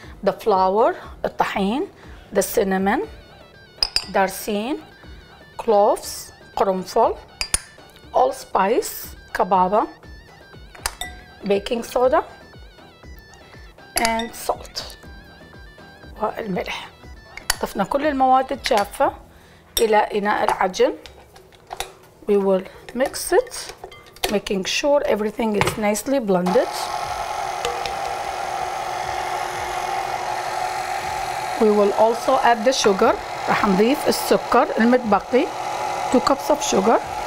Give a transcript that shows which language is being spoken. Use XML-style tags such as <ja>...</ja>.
<en>The flour, الطحين, the cinnamon, دارسين, cloves, قرنفل, allspice, كبابة, baking soda, and salt, والملح.</en> <ar>ضفنا كل المواد الجافة إلى إناء العجن.</ar> <en>We will mix it, making sure everything is nicely blended. We will also add the sugar.</en> <ar>رح نضيف السكر المتبقي.</ar> <en>2 cups of sugar.</en>